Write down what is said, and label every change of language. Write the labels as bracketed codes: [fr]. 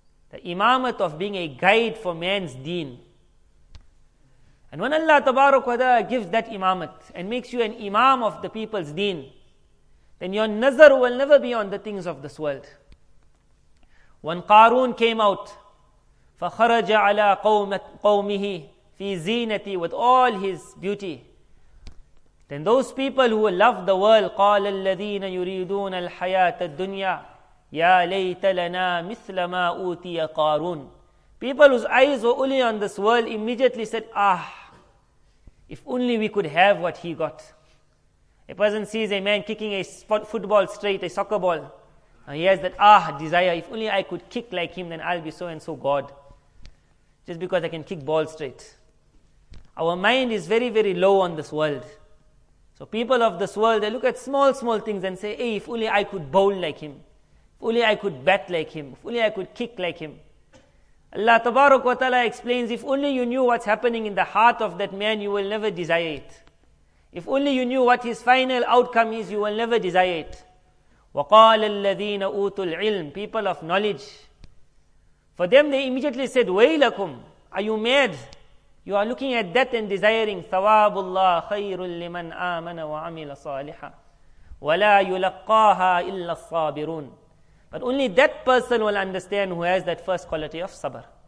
[en] The imamat of being a guide for man's deen. And when Allah tabarak wa ta'ala gives that imamat and makes you an imam of the people's deen, then your nazar will never be on the things of this world. When Qarun came out, [ar] فَخَرَجَ عَلَىٰ قَوْمِهِ فِي زِينَةِ, [en] with all his beauty. Then those people who love the world, [ar] قال الذين يريدون الحياة الدنيا يا ليت لنا مثل ما أوتي قارون. [en] People whose eyes were only on this world immediately said, ah, if only we could have what he got. A person sees a man kicking a football straight, a soccer ball. And he has that, ah, desire. If only I could kick like him, then I'll be so and so God. Just because I can kick ball straight. Our mind is very, very low on this world. So people of this world, they look at small, small things and say, hey, if only I could bowl like him. If only I could bat like him. If only I could kick like him. Allah Tabarak wa Ta'ala explains, if only you knew what's happening in the heart of that man, you will never desire it. If only you knew what his final outcome is, you will never desire it. [ar] وَقَالَ الَّذِينَ أُوتُوا الْعِلْمِ [en] People of knowledge. For them, they immediately said, وَيْلَكُمْ Are you mad? You are looking at that and desiring, [ar] ثَوَابُ اللَّهِ خَيْرٌ لِّمَنْ آمَنَ وَعَمِلَ صَالِحًا وَلَا يُلَقَّاهَا إِلَّا الصَّابِرُونَ [en] But only that person will understand who has that first quality of sabr.